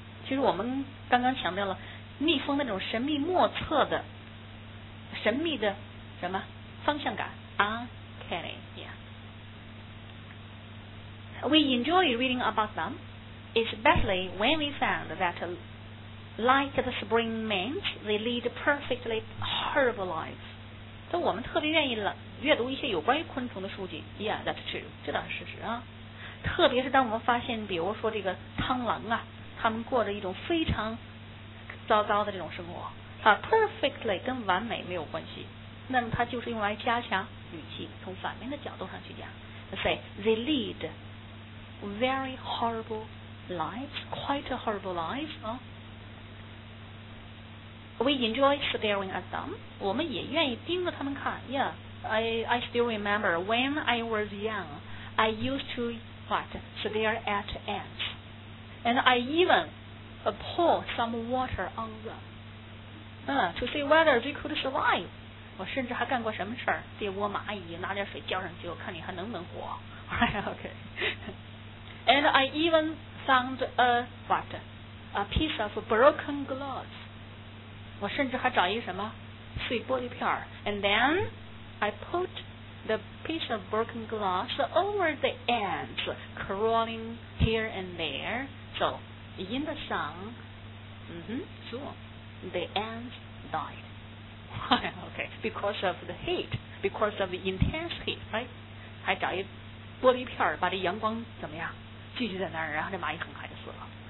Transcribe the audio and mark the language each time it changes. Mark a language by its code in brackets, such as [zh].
[zh] 其实我们刚刚强调了蜜蜂那种神秘莫测的、神秘的什么方向感 ，uncanny. Yeah. [en] We enjoy reading about them, especially when we found that, like the spring mint, they lead perfectly horrible lives. [zh] 但我们特别愿意阅读一些有关于昆虫的书籍。 [en] Yeah, that's true. [zh] 这倒是事实啊。特别是当我们发现，比如说这个螳螂啊。他们过着一种非常糟糕的这种生活，啊 ，perfectly 跟完美没有关系，那么它就是用来加强语气，从反面的角度上去讲 ， [en] say they lead very horrible lives, quite horrible lives. We enjoy staring at them. [zh] 我们也愿意盯着他们看。 [en] Yeah, I still remember when I was young, I used to stare at ants. And I even pour some water on them, to see whether they could survive. [zh] 我甚至还干过什么事儿？这窝蚂蚁拿点水浇上去，我看你还能不能活。 [en] Okay. And I even found a piece of broken glass. [zh] 我甚至还找一什么碎玻璃片儿。 [en] And then I put the piece of broken glass over the ants crawling here and there. So, in the sun, the ants died. Okay, because of the heat, because of the intense heat, right? [zh] 还找一玻璃片把这阳光怎么样聚集在那儿，然后这蚂蚁很快就死了。